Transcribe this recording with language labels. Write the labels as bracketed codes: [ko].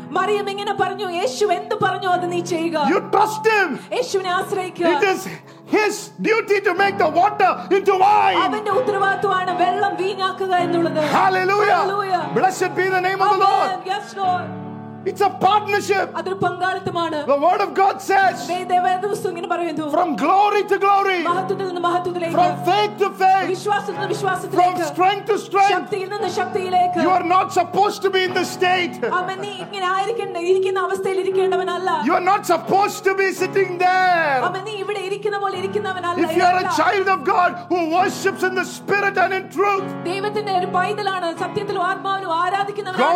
[ml] മറിയം ഇങ്ങനെ പറഞ്ഞു, യേശു എന്ത് പറഞ്ഞു അത് നീ ചെയ്യുക. [en] You trust him. [ml] യേശുവിനെ ആശ്രയിക്കുക. [en] It is his duty to make the water into wine. [ml] അവന്റെ ഉത്തരവാദിത്വമാണ് വെള്ളം വീഞ്ഞാക്കുക എന്നുള്ളത്. [en] Hallelujah. Hallelujah. Blessed be the name Amen. Of the Lord. Yes, Lord. It's a partnership. [ml] അതൊരു പങ്കാളിത്തമാണ്. [en] The word of God says. [ml] ദൈവദൂതൻ ഇങ്ങനെ പറയുന്നു. [en] From glory to glory. [ml] മഹത്വത്തിൽ നിന്ന് മഹത്വത്തിലേക്ക്. [en] From faith to faith. [ml] വിശ്വാസത്തിൽ നിന്ന് വിശ്വാസത്തിലേക്ക്. [en] From strength to strength. [ml] ശക്തിയിൽ നിന്ന് ശക്തിയിലേക്ക്. [en] You are not supposed to be in this state. [ml] അമ്മ നീ ഇങ്ങനെ ഇരിക്കുന്ന അവസ്ഥയിൽ ഇരിക്കേണ്ടവനല്ല. [en] You are not supposed to be sitting there. [ml] അമ്മ നീ ഇവിടെ ഇരിക്കുന്ന പോലെ ഇരിക്കുന്നവനല്ല. [en] If you are a child of God who worships in the spirit and in truth. [ml] ദൈവത്തിന്റെ ഒരു പൈതലാണ് സത്യത്തിലും ആത്മാവിലും ആരാധിക്കുന്നവനാണ്.